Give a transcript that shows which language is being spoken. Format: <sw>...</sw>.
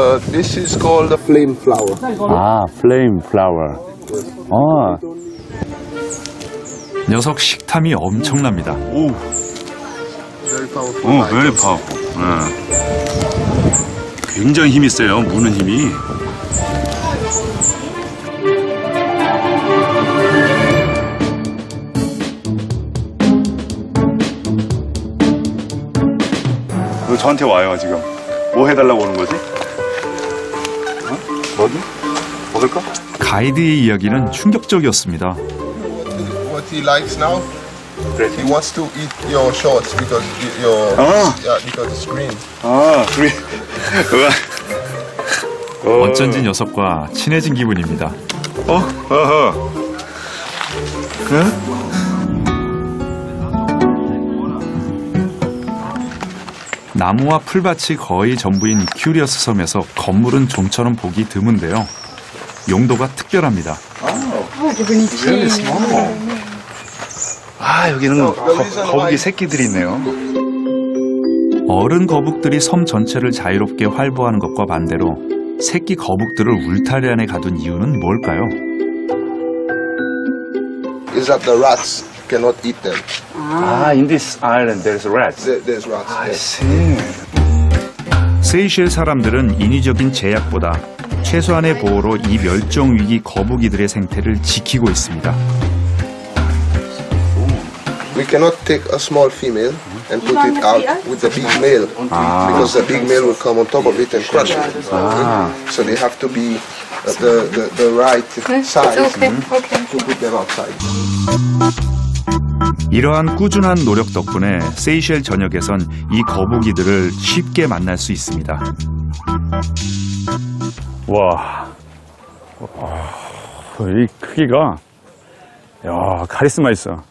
<en>This is called a flame flower. Ah, flame flower. Oh.</en> <ko>녀석 식탐이 엄청납니다.</ko> <en>Very powerful.</en> <ko>굉장히 힘이 세요. 무는 힘이. 저한테 와요 지금. 뭐 해달라고 오는 거지? 뭐지? 먹을까? 가이드의 이야기는 충격적이었습니다.</ko> <en>What he likes now? He wants to eat your shorts because your because it's green.</en> <ko>아, 그래. 와. 어쩐지 녀석과 친해진 기분입니다. 나무와 풀밭이 거의 전부인 큐리어스 섬에서 건물은 좀처럼 보기 드문데요. 용도가 특별합니다. 아, 여기는 거북이 새끼들이 있네요. 어른 거북들이 섬 전체를 자유롭게 활보하는 것과 반대로 새끼 거북들을 울타리 안에 가둔 이유는 뭘까요?</ko> <en>Is that the rats? Cannot eat them. Ah, in this island, there's rats. There's rats. I see.</en> <ko>세이셸 사람들은 인위적인 제약보다 최소한의 보호로 이 멸종 위기 거북이들의 생태를 지키고 있습니다.</ko> <en>We cannot take a small female and put it out with the big male because the big male will come on top of it and crush it. So they have to be the right size to put them outside.</en> <ko>이러한 꾸준한 노력 덕분에 세이셸 전역에선 이 거북이들을 쉽게 만날 수 있습니다. 와, 이 크기가, 야, 카리스마 있어.</ko>